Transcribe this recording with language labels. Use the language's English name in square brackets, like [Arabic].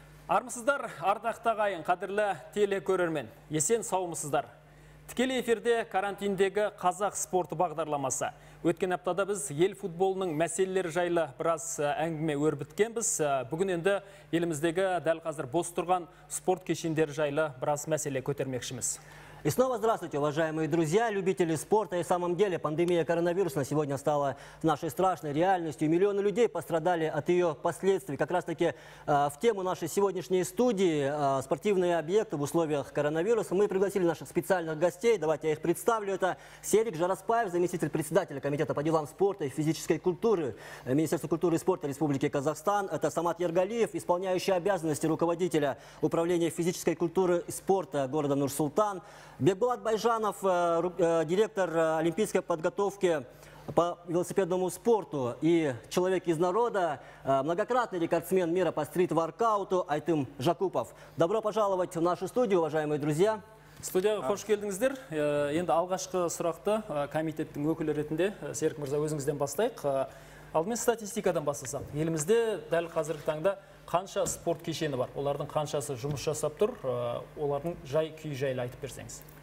[Kazakh] Армысыздар, ардақты ағайын, қадірлі телекөрермен, есен сауымысыздар. Тікелей эфирде карантиндегі қазақ спорты бағдарламасы. Өткен аптада біз ел футболының мәселелері жайлы біраз әңгіме өрбіткенбіз. Бүгін енді еліміздегі дәл қазір бос тұрған спорт кешендері жайлы біраз мәселе көтермекшіміз. [Russian] И снова здравствуйте, уважаемые друзья, любители спорта. И в самом деле пандемия коронавируса сегодня стала нашей страшной реальностью. Миллионы людей пострадали от ее последствий. Как раз таки в тему нашей сегодняшней студии «Спортивные объекты в условиях коронавируса» мы пригласили наших специальных гостей. Давайте я их представлю. Это Серик Жараспаев, заместитель председателя комитета по делам спорта и физической культуры Министерства культуры и спорта Республики Казахстан. Это Самат Ергалиев, исполняющий обязанности руководителя управления физической культуры и спорта города Нур-Султан. Бекболат Байжанов, директор олимпийской подготовки по велосипедному спорту и человек из народа, многократный рекордсмен мира по стрит-воркауту Айтым Жакупов. Добро пожаловать в нашу студию, уважаемые друзья. [Kazakh] Студияға қош келдіңіздер. Енді алғашқы сұрақты комитеттің өкілі ретінде, Серік Мырза, өзіңізден бастайық. Алдымен статистикадан бастасақ. Елімізде дәл қазіргі таңда қанша спорт кешені бар? Олардың қаншасы жұмыс жасап тұр? Олардың жай күйі жайлы айтып берсеңіз.